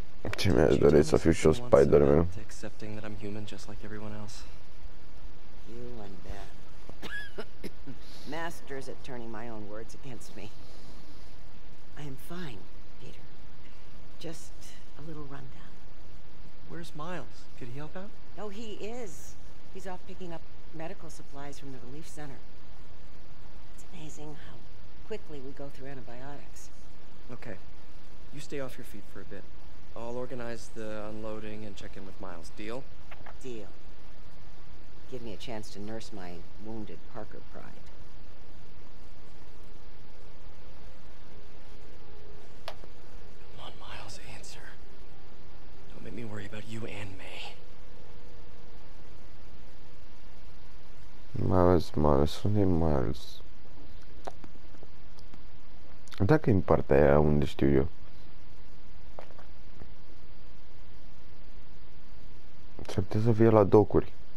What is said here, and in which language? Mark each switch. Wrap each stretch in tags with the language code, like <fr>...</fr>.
<ro>Ce mi-aș dori să fiu și eu Spider-Man.</ro> <en>Accepting that I'm human just like everyone else. You and Beth. Masters at turning my own words against me. I am fine, Peter. Just a little rundown. Where's Miles? Could he help out? No, he is. He's off picking up medical supplies from the relief center. It's amazing how quickly we go through antibiotics. Okay. You stay off your feet for a bit. I'll organize the unloading and check in with Miles. Deal? Deal. Give me a chance to nurse my wounded Parker pride. Come on, Miles, answer. Don't make me worry about you and May. Miles.</en> <ro>Dacă în partea aia unde știu eu. Ce trebuie să fie la docuri.</ro>